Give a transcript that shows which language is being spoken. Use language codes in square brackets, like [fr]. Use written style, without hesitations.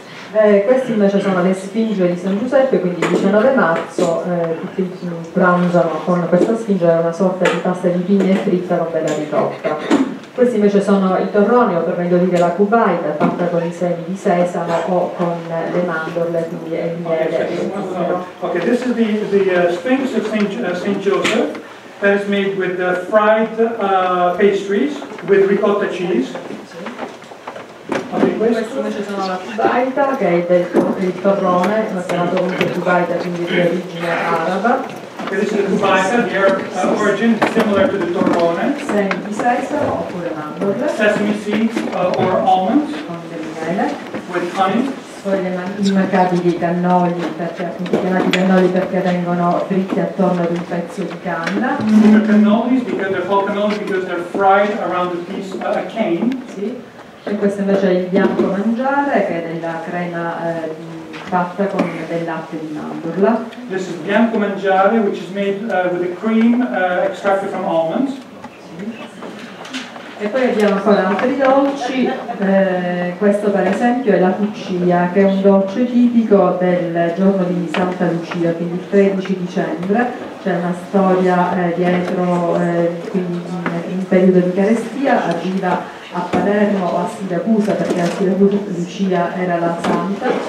[it] Questi invece sono le sfinge di San Giuseppe, quindi il 19 marzo tutti pranzano con questa sfinge, una sorta di pasta di pigna e fritta con bella ricotta. Questi invece sono i torroni, o per meglio dire la cubaita, fatta con i semi di sesamo o con le mandorle, quindi il miele. [en] Okay, this is the sphinx of Saint Joseph that is made with fried pastries with ricotta cheese. [it] Okay, questo invece sono la cubaita, che è il torrone, ma chiamato comunque cubaita, quindi di origine araba. [en] Okay, this is the cubaita, the Arab origin, similar to the torrone. [it] Semi di sesamo oppure mandorle. [en] Sesame seeds or almonds. [it] Con del miele. [en] With honey. [it] Poi le immacabili cannoli, perché appunto chiamati cannoli perché vengono fritti attorno ad un pezzo di canna. [en] The cannolis, because they're called cannolis because they're fried around a piece of a cane. [it] Sì. E questo invece è il bianco mangiare, che è della crema fatta con del latte di mandorla. [en] This is bianco mangiare, which is made with a cream extracted from almonds. [it] E poi abbiamo ancora altri dolci, questo per esempio è la cuccia, che è un dolce tipico del giorno di Santa Lucia, quindi il 13 dicembre, c'è una storia dietro, quindi in periodo di carestia, arriva a Palermo o a Siracusa, perché a Siracusa Lucia era la santa.